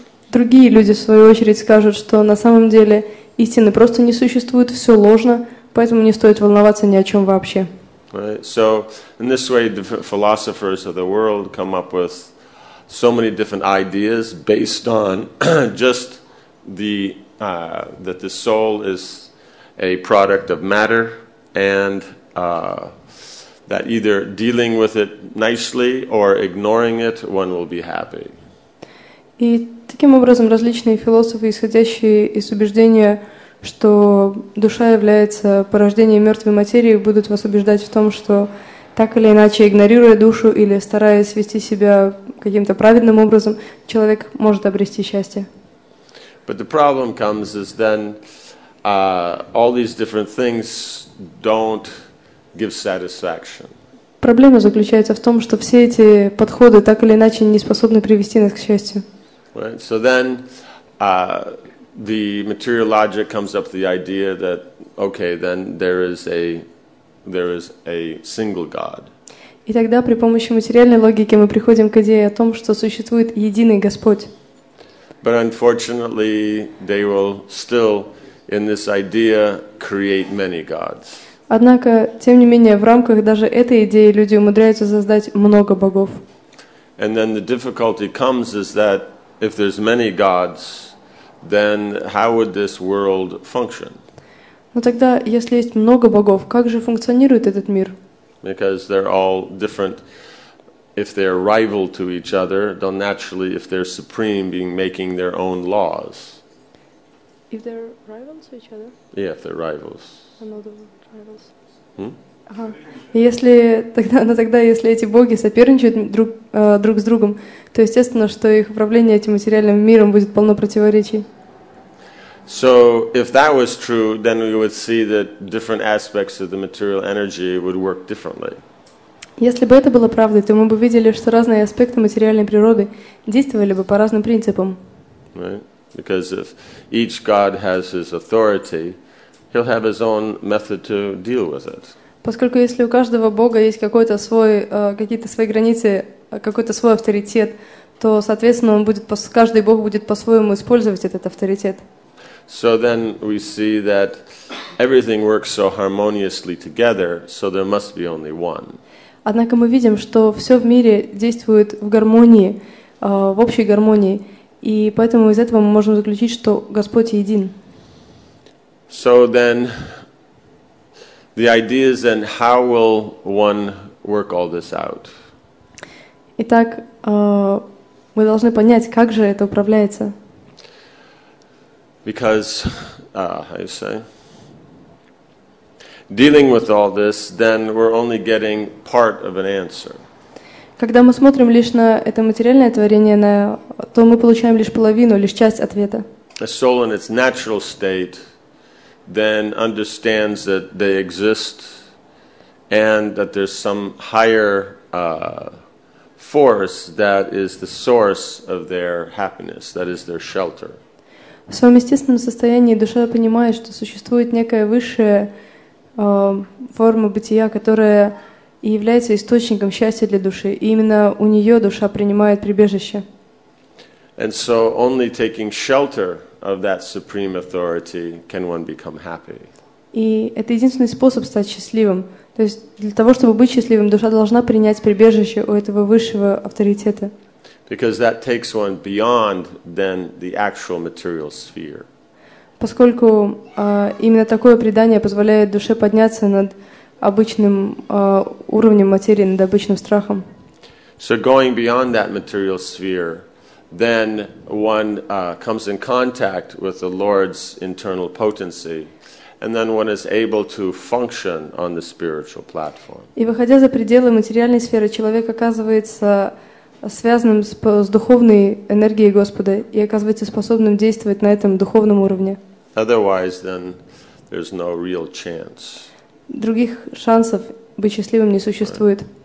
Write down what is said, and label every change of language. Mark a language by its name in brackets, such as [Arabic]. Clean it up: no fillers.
[Russian] Другие люди, в свою очередь, скажут, что на самом деле истины просто не существует, все ложно, поэтому не стоит волноваться ни о чем вообще. [English] Right. So, in this way, the philosophers of the world come up with so many different ideas based on just that the soul is a product of matter and that either dealing with it nicely or ignoring it, one will be happy. [Russian] И таким образом различные философы, исходящие из убеждения, что душа является порождением мертвой материи, будут вас убеждать в том, что так или иначе, игнорируя душу или стараясь вести себя каким-то праведным образом, человек может обрести счастье. [English] But the problem comes is then all these different things don't give satisfaction. [Russian] Проблема заключается в том, что все эти подходы так или иначе не способны привести нас к счастью. [English] Right. So then the material logic comes up with the idea that okay, then there is a single God. [Russian] И тогда при помощи материальной логики мы приходим к идее о том, что существует единый Господь. [English] But unfortunately, they will still, in this idea, create many gods. [Russian] Однако, тем не менее, в рамках даже этой идеи люди умудряются создать много богов. [English] And then the difficulty comes is that if there's many gods, then how would this world function? [Russian] Но тогда, если есть много богов, как же функционирует этот мир? [English] Because they're all different. If they are rival to each other, they'll naturally, if they're supreme, be making their own laws. If they're rivals to each other? Yeah, if they're rivals. Another rivals. Hmm? [Russian] Если тогда, но тогда, если эти боги соперничают друг с другом, то естественно, что их управление этим материальным миром будет полно противоречий. [English] So if that was true, then we would see that different aspects of the material energy would work differently. [Russian] Если бы это было правдой, то мы бы видели, что разные аспекты материальной природы действовали бы по разным принципам. [English] Because if each god has his authority, he'll have his own method to deal with it. [Russian] Поскольку если у каждого бога есть какой-то свой какие-то свои границы, какой-то свой авторитет, то, соответственно, он будет каждый бог будет по-своему использовать этот авторитет. [English] So then we see that everything works so harmoniously together, so there must be only one. [Russian] Однако мы видим, что все в мире действует в гармонии, в общей гармонии, и поэтому из этого мы можем заключить, что Господь един. [English] So then, the idea is then how will one work all this out? [Russian] Итак, мы должны понять, как же это управляется. [English] Because, how you say? Dealing with all this, then we're only getting part of an answer. [Russian] Когда мы смотрим лишь на это материальное творение, то мы получаем лишь половину, лишь часть ответа. [English] A soul in its natural state then understands that they exist and that there's some higher force that is the source of their happiness, that is their shelter. [Russian] В своем естественном состоянии душа понимает, что существует некая высшая форма бытия, которая и является источником счастья для души, и именно у нее душа принимает прибежище. [English] And so only taking shelter of that supreme authority can one become happy. [Russian] И это единственный способ стать счастливым. То есть для того, чтобы быть счастливым, душа должна принять прибежище у этого высшего авторитета. [English] Because that takes one beyond then the actual material sphere. [Russian] Поскольку именно такое предание позволяет душе подняться над обычным уровнем материи, над обычным страхом. [English] So going beyond that material sphere, then one comes in contact with the Lord's internal potency, and then one is able to function on the spiritual platform. [Russian] И выходя за пределы материальной сферы, человек оказывается связанным с духовной энергией Господа и оказывается способным действовать на этом духовном уровне. [English] Otherwise, then there's no real chance. [Russian] Других шансов быть счастливым не существует.